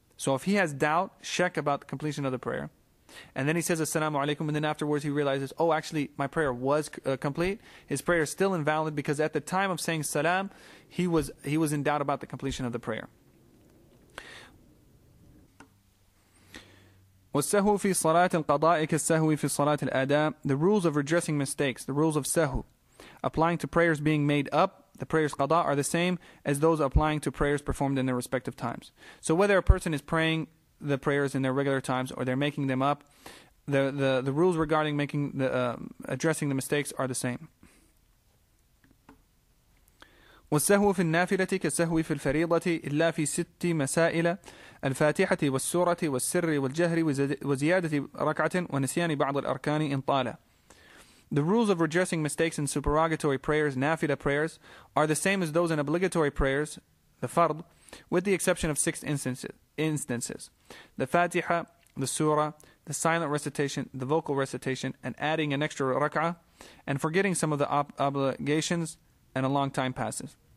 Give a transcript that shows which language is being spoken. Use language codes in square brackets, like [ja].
[en] So if he has doubt, shak about the completion of the prayer, and then he says assalamu alaikum, and then afterwards he realizes, oh, actually my prayer was complete, his prayer is still invalid because at the time of saying salam, he was in doubt about the completion of the prayer. [ar] والسهو في صلاة القضاء كالسهو في صلاة الأداء. [en] The rules of redressing mistakes, the rules of sahu, applying to prayers being made up, the prayers qada, are the same as those applying to prayers performed in their respective times. So whether a person is praying the prayers in their regular times or they're making them up, the rules regarding making the addressing the mistakes are the same. [ar] والسهو في النافلة كالسهو في الفريضة إلا في ست مسائل: الفاتحة والسورة والسر والجهر وزيادة ركعة ونسيان بعض الأركان إن طال. [en] The rules of redressing mistakes in supererogatory prayers, nafila prayers, are the same as those in obligatory prayers, the fard, with the exception of six instances. The Fatiha, the Surah, the silent recitation, the vocal recitation, and adding an extra rak'ah, and forgetting some of the obligations, and a long time passes.